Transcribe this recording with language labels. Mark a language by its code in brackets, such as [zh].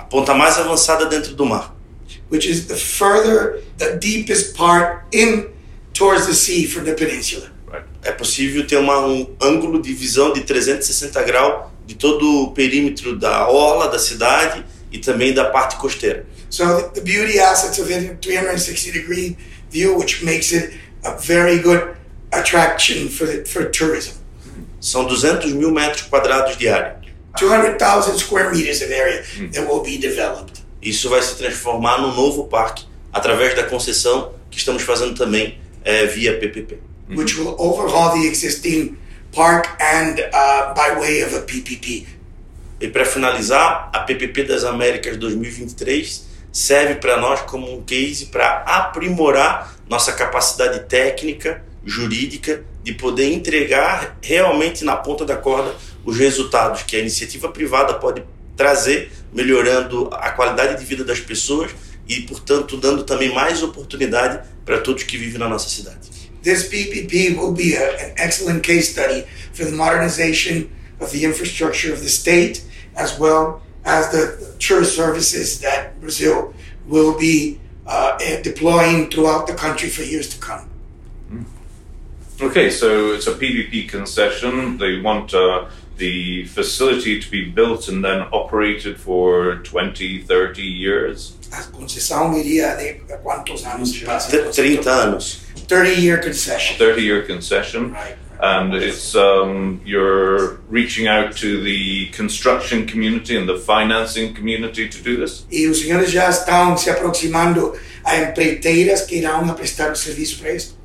[pt] Ponta mais avançada dentro do mar. [en] Which is the further, the deepest part in towards the sea from the peninsula. [pt] Right. É possível ter um ângulo de visão de 360 graus de todo o perímetro da orla da cidade e também da parte costeira. [en] So the beauty assets of it, 360 degree view, which makes it a very good attraction for tourism. [pt] São 200 mil metros quadrados de área. [en] 200,000 square meters of area that will be developed. [pt] Isso vai se transformar num novo parque através da concessão que estamos fazendo também via PPP. [en] Which will overhaul the existing park and by way of a PPP. [pt] E para finalizar, a PPP das Américas 2023 serve para nós como um case para aprimorar nossa capacidade técnica, jurídica, de poder entregar realmente na ponta da corda os resultados que a iniciativa privada pode trazer, melhorando a qualidade de vida das pessoas e, portanto, dando também mais oportunidade para todos que vivem na nossa cidade. [en] This PPP will be an excellent case study for the modernization of the infrastructure of the state, as well as the tourist services that Brazil will be deploying throughout the country for years to come. Okay, so it's a PPP concession. They want the facility to be built and then operated for 20, 30 years. [pt] A concessão iria de quantos anos? 30 anos. [en] 30-year concession. 30-year concession. Right. And it's you're reaching out to the construction community and the financing community to do this? [pt] E os senhores já estão se aproximando a empreiteiras que irão prestar o serviço para isso?